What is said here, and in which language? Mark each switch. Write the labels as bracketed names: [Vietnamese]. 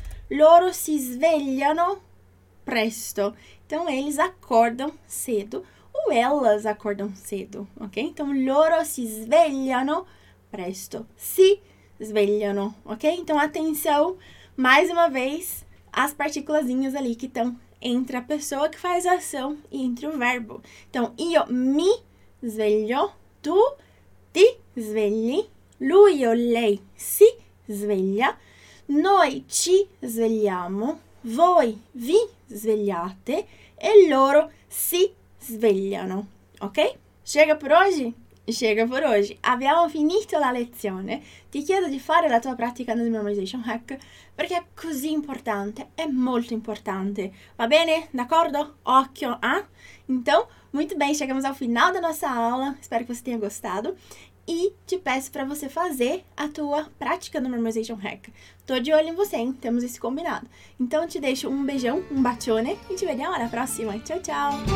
[Italian] Loro si svegliano presto. [Portuguese] Então, eles acordam cedo ou elas acordam cedo, ok? [Italian] Então, loro si svegliano presto. Si svegliano, ok? [Portuguese] Então, atenção, mais uma vez, às partículazinhas ali que estão entre a pessoa que faz a ação e entre o verbo. [Italian] Então, io mi sveglio, tu ti svegli, lui o lei si sveglia. Noi ci svegliamo, voi vi svegliate e loro si svegliano, ok? [Portuguese] Chega por [Italian] oggi? Chega por oggi. Abbiamo finito la lezione. Ti chiedo di fare la tua pratica nel memorization hack perché è così importante, è molto importante. Va bene? D'accordo? Occhio, eh? [Portuguese] Então, muito bem, chegamos ao final da nossa aula. Espero que você tenha gostado. E te peço para você fazer a tua prática no Memorization Hack. Tô de olho em você, hein? Temos esse combinado. Então, eu te deixo um beijão, um bacione, e te vejo na próxima. Tchau, tchau!